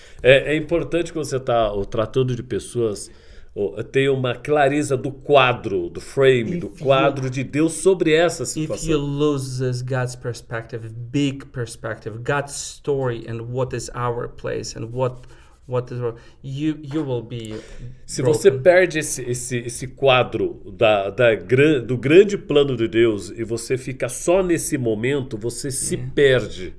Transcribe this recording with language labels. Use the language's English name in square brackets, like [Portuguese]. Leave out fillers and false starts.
[Portuguese] É importante quando você está tratando de pessoas, ter uma clareza do quadro, do frame, [English] if [Portuguese] do quadro [English] you, [Portuguese] de Deus sobre essa situação. [English] If you lose this God's perspective, big perspective, God's story and what is our place and what is wrong, you will be broken. [Portuguese] Se você perde esse quadro do grande plano de Deus e você fica só nesse momento, você se perde.